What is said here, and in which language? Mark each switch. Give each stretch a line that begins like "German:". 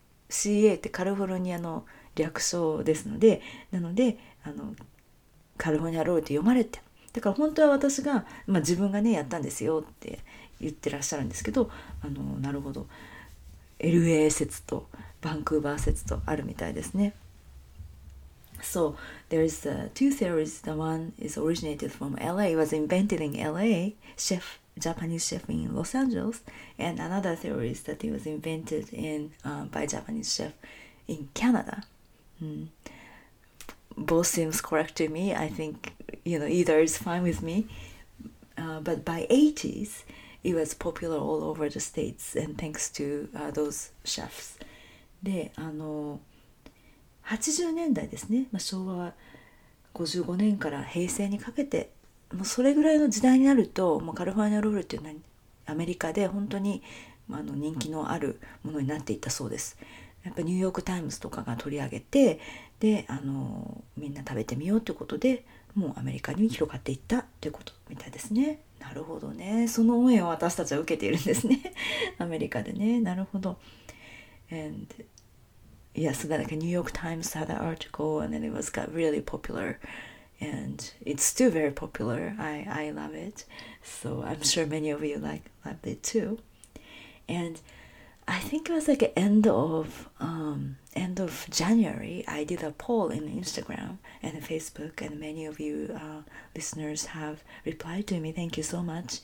Japanese: CA ってカリフォルニアの略称ですので、なのでカリフォルニアロールって読まれて、だから本当は私が、まあ、自分がねやったんですよって言ってらっしゃるんですけど、なるほど、 LA 説とバンクーバー説とあるみたいですね。
English: So there is two theories. The one is originated from LA, was invented in LA, chef, Japanese chef in Los Angeles, and another theory is that it was invented in, by Japanese chef in Canada. Both seems correct to me. I think, you know, either is fine with me. But by 80s, it was popular all over the states, and thanks to those chefs.
Japanese: で、80年代ですね。まあ、昭和55年から平成にかけて、もうそれぐらいの時代になると、もうカリフォルニアロールっていうのはアメリカで本当に、まあ、人気のあるものになっていたそうです。やっぱニューヨークタイムズとかが取り上げて、で、みんな食べてみようということで、もうアメリカに広がっていったということみたいですね。なるほどね。その応援を私たちは受けているんですね。アメリカでね。なるほど。
English: And, yeah, so that like New York Times had an article and then it was got really popular. And it's still very popular. I love it. So I'm sure many of you like it too. And I think it was like end of January, I did a poll in Instagram and Facebook, and many of you listeners have replied to me. Thank you so much.